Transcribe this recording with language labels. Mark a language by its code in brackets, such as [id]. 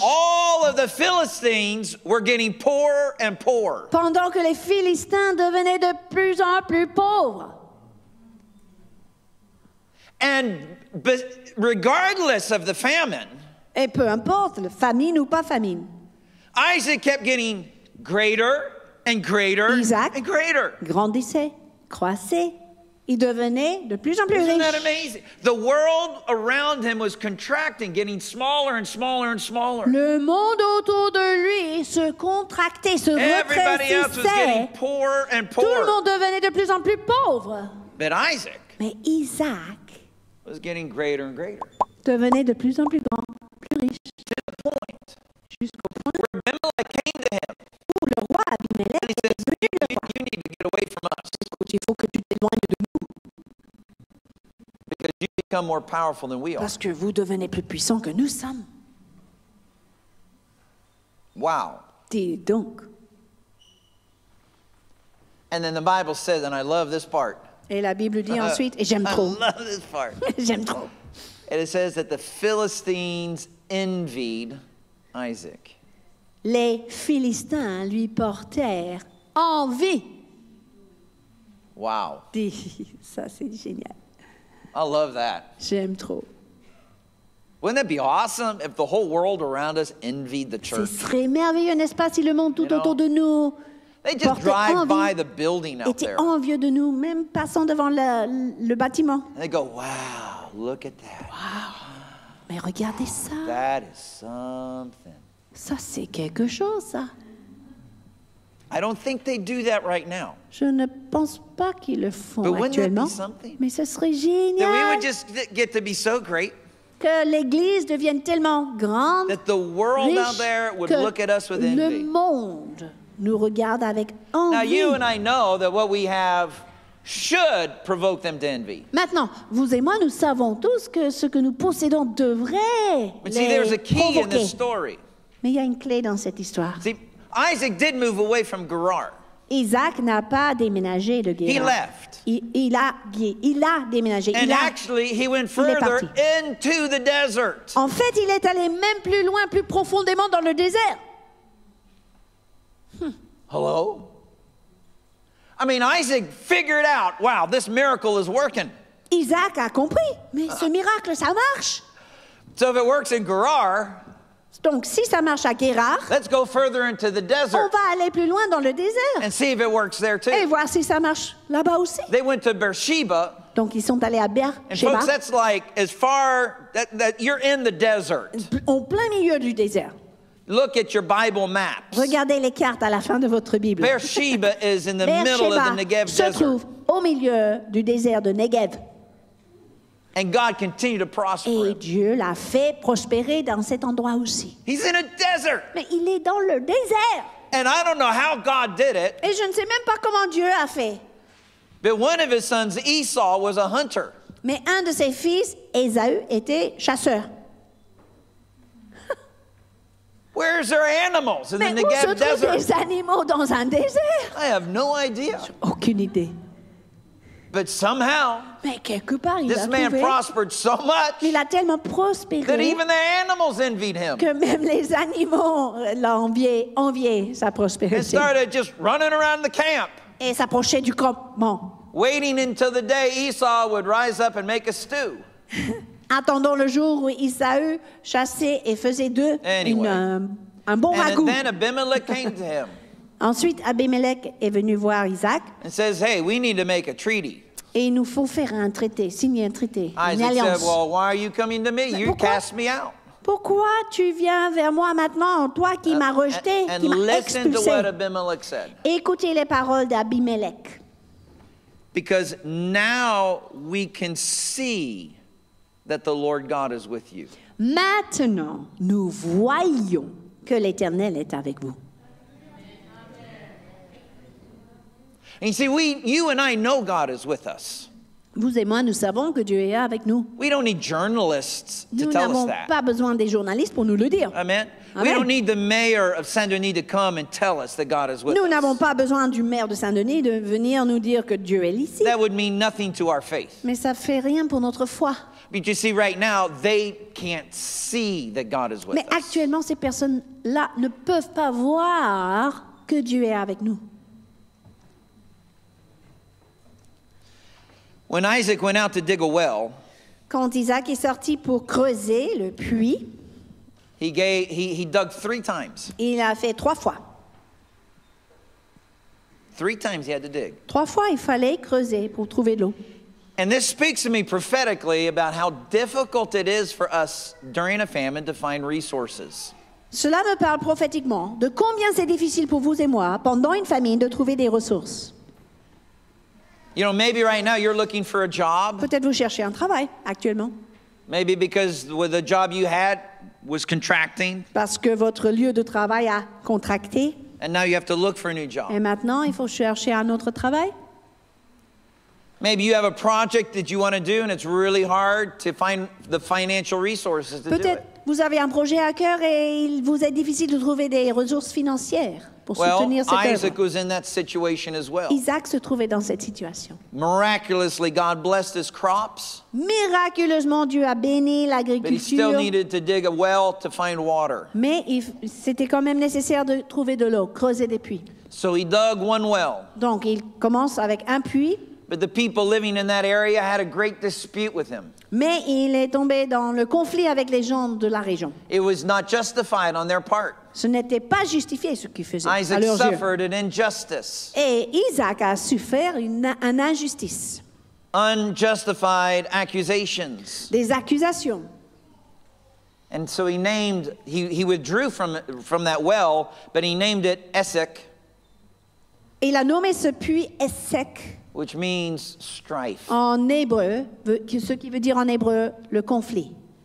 [en] All of the Philistines were getting poorer and poorer. [fr] Pendant que les Philistins devenaient de plus en plus pauvres. [en] And regardless of the famine. [fr] Et peu importe le famine ou pas famine. [en] Isaac kept getting greater and greater Isaac and greater. [fr] Grandissait, croissait. Il devenait de plus en plus riche. [en] Isn't that amazing? The world around him was contracting, getting smaller and smaller and smaller. [fr] Le monde autour de lui se contractait, se retraissait. [en] Everybody else was getting poorer and poorer. [fr] Tout le monde devenait de plus en plus pauvre. [en] But Isaac, [fr] mais Isaac [en] was getting greater and greater. [fr] Devenait de plus en plus grand, plus riche. [en] To the point, [fr] jusqu'au point [en] where Abimelech came to him. [fr] Où le roi Abimelech est venu le voir. [en] You need to get away from us. [fr] Écoute, il faut que tu t'éloignes de nous. [en] Because you become more powerful than we are. [fr] Parce que vous devenez plus puissant que nous sommes. [en] Wow. [fr] Dis donc. [en] And then the Bible says, and I love this part. [fr] Et la Bible dit ensuite, et j'aime trop. [en] I love this part. [fr] J'aime trop. [en] And it says that the Philistines envied Isaac. [fr] Les Philistins lui portèrent envie. [en] Wow. [fr] Ça, c'est génial. [en] I love that. [fr] J'aime trop. [en] Wouldn't that be awesome if the whole world around us envied the church? [fr] Ce serait merveilleux, n'est-ce pas, si le monde tout autour de nous [en] they just drive by the building out there. [fr] Était envieux de nous, même passant devant le bâtiment. [en] And they go, wow, look at that. [fr] Wow. Mais regardez ça. [en] That is something. [fr] Ça, c'est quelque chose, ça. [en] I don't think they do that right now. [fr] Je ne pense pas qu'ils le font actuellement. [en] But wouldn't that be something? [fr] Mais ce serait génial. [en] That we would just get to be so great. [fr] Que l'Église devienne tellement grande. [en] That the world [fr] riche, [en] out there would look at us with envy. [fr] Que le monde nous regarde avec envie. [en] Now you and I know that what we have should provoke them to envy. [fr] Maintenant, vous et moi, nous savons tous que ce que nous possédons devrait les provoquer. [en] But see, there's a key in this story. [fr] Mais il y a une clé dans cette histoire. [en] See, Isaac did move away from Gerar. [fr] Isaac n'a pas déménagé de Gerar. [en] He left. [fr] Il a déménagé. [en] And [fr] il a, [en] actually, he went further into the desert. [fr] En fait, il est allé même plus loin, plus profondément dans le désert. [en] Hello? I mean, Isaac figured out, wow, this miracle is working. [fr] Isaac a compris, mais ce miracle, ça marche. [en] So if it works in Gerar, [fr] donc, si ça marche à Gerar, [en] let's go further into the desert. [fr] On va aller plus loin dans le désert. [en] And see if it works there too. [fr] Et voir si ça marche là-bas aussi. [en] They went to Beersheba. [fr] Donc, ils sont allés à Beersheba. [en] And folks, that's like as far that you're in the desert. [fr] En plein milieu du désert. [en] Look at your Bible maps. [fr] Regardez les cartes à la fin de votre Bible. [en] Beersheba is in the middle of the Negev Desert. [fr] Se trouve au milieu du désert de Negev. [en] And God continued to prosper. [fr] Et Dieu l'a fait prospérer dans cet endroit aussi. [en] He's in a desert. [fr] Mais il est dans le désert. [en] And I don't know how God did it. [fr] Et je ne sais même pas comment Dieu a fait. [en] But one of his sons, Esau, was a hunter. [fr] Mais un de ses fils, Ésaü, était chasseur. [en] Where's there animals in [fr] Mais [en] the Negev [fr] où se [en] desert? [fr] Trouvent des animaux dans un désert? [en] I have no idea. [fr] J'ai aucune idée. [en] But somehow, [fr] Mais quelque part, il [en] this [fr] a [en] man [fr] trouvé, [en] prospered so much [fr] il a tellement prospéré [en] that even the animals envied him. [fr] Que même les animaux l'enviaient sa prospérité. [en] And started just running around the camp. [fr] Et s'approchait du campement. [en] Waiting until the day Esau would rise up and make a stew. [fr] Attendant le jour où Esaü chassait et faisait d'eux un bon ragoût. [en] And then Abimelech came to him. [fr] Ensuite, Abimelech est venu voir Isaac. [en] And says, hey, we need to make a treaty. [fr] Et il nous faut faire un traité, signer un traité, Isaac une alliance. [en] Said, well, why are you coming to me? You cast me out. [fr] Pourquoi tu viens vers moi maintenant, toi qui m'as rejeté, [en] and [fr] qui m'as expulsé? [en] And listen to what Abimelech said. [fr] Écoutez les paroles d'Abimelech. [en] Because now we can see that the Lord God is with you. [fr] Maintenant, nous voyons que l'Éternel est avec vous. [en] And you see, you and I know God is with us. [fr] Vous et moi, nous savons que Dieu est avec nous. [en] We don't need journalists [fr] nous [en] to tell us that. [fr] Nous n'avons pas besoin des journalistes pour nous le dire. Amen. [en] We don't need the mayor of Saint-Denis to come and tell us that God is with [fr] nous Nous n'avons pas besoin du maire de Saint-Denis de venir nous dire que Dieu est ici. [en] That would mean nothing to our faith. [fr] Mais ça fait rien pour notre foi. [en] But you see, right now, they can't see that God is with [fr] Mais [en] us. [fr] Mais actuellement, ces personnes-là ne peuvent pas voir que Dieu est avec nous. [en] When Isaac went out to dig a well, [fr] quand Isaac est sorti pour creuser le puits, [en] he dug three times. [fr] Il a fait trois fois. [en] Three times he had to dig. [fr] Trois fois il fallait creuser pour trouver de l'eau. [en] And this speaks to me prophetically about how difficult it is for us during a famine to find resources. [fr] Cela me parle prophétiquement de combien c'est difficile pour vous et moi pendant une famine de trouver des ressources. [en] You know, maybe right now you're looking for a job. [fr] Peut-être vous cherchez un travail actuellement. [en] Maybe because with the job you had was contracting. [fr] Parce que votre lieu de travail a contracté. [en] And now you have to look for a new job. [fr] Et maintenant, il faut chercher un autre travail. [en] Maybe you have a project that you want to do and it's really hard to find the financial resources to [fr] Peut-être Peut-être vous avez un projet à cœur et il vous est difficile de trouver des ressources financières. [en] Well, Isaac was in that situation as well. [fr] Isaac se trouvait dans cette situation. [en] Miraculously, God blessed his crops. [fr] Miraculeusement, Dieu a béni l'agriculture. [en] But he still needed to dig a well to find water. [fr] Mais c'était quand même nécessaire de trouver de l'eau, creuser des puits. [en] So he dug one well. [fr] Donc il commence avec un puits. [en] But the people living in that area had a great dispute with him. [fr] Mais il est tombé dans le conflit avec les gens de la région. [en] It was not justified on their part. [fr] Ce n'était pas justifié ce qu'il faisait Isaac à leurs yeux. [en] Suffered an injustice. [fr] Et Isaac a souffert une injustice. [en] Unjustified accusations. [fr] Des accusations. [en] And so he withdrew from that well, but he named it Essek. [fr] Il a nommé ce puits Essek. [en] Which means strife. [fr] En hébreu, ce qui veut dire en hébreu, le conflit.